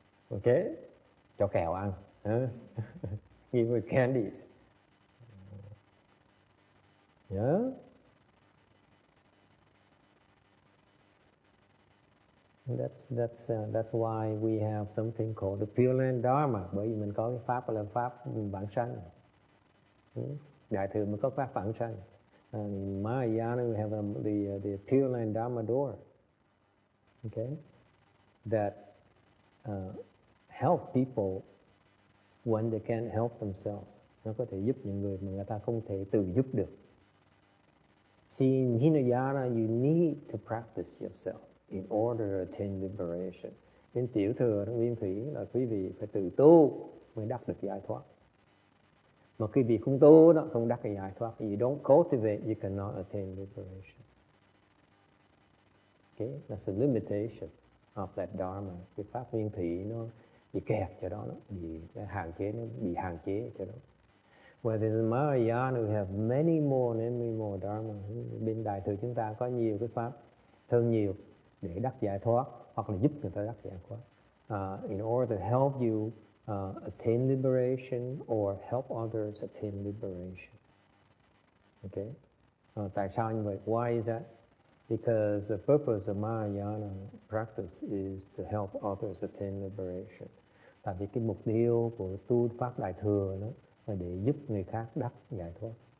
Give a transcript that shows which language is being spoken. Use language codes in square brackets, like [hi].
[en] Okay? [vi] Cho kẹo ăn. [en] Give them candies. Yeah? That's why we have something called the Pure Land Dharma. [vi] Bởi vì mình có cái pháp là pháp vãng sanh. Đại thừa mới có pháp vãng sanh. [en] In Mahayana, we have the Pure Land Dharma door. Okay, that help people when they can't help themselves. [vi] Nó có thể giúp những người mà người ta không thể tự giúp được. [en] See, in Hinayana, you need to practice yourself in order to attain liberation. [vi] In Tiểu Thừa, Nguyên Thủy là quý vị phải tự tu mới đắc được giải thoát. Mà quý vị không tu đó, không đắc được giải thoát. [en] You don't cultivate, you cannot attain liberation. Okay, that's a limitation of that dharma. [vi] Cái pháp Nguyên Thủy nó bị kẹt cho đó, bị hạn chế cho đó. [en] Where there's a Mahayana, we have many more dharma. [vi] Bên Đại Thừa chúng ta có nhiều cái pháp, hơn nhiều, để đắc giải thoát hoặc là giúp người ta đắc giải thoát. [en] In order to help you attain liberation or help others attain liberation. Okay? [vi] Tại sao như vậy? [en] Why is that? Because the purpose of Mahayana practice is to help others attain liberation. [vi] Tại vì cái mục tiêu của tu pháp Đại Thừa đó là để giúp người khác đắc giải thoát.